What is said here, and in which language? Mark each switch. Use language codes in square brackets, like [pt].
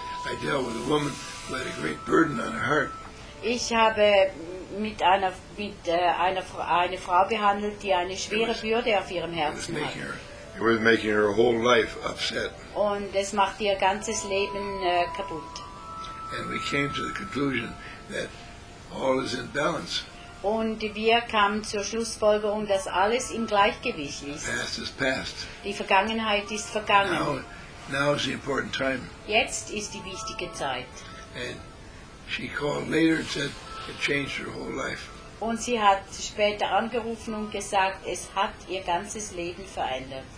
[en] I dealt with a woman who had a great burden on her heart. [de] Ich habe mit einer Frau behandelt, die eine schwere Bürde auf ihrem Herzen hat. [en] It was making her whole life upset. [de] Und es macht ihr ganzes Leben kaputt. [en] And we came to the conclusion that all is in balance. [de] Und wir kamen zur Schlussfolgerung, dass alles im Gleichgewicht ist. [en] The past is past. [de] Die Vergangenheit ist vergangen. [en] Now is the important time. [de] Jetzt ist die wichtige Zeit. [en] And she called later and said it changed her whole life. [de] Und sie hat später angerufen und gesagt, es hat ihr ganzes Leben verändert.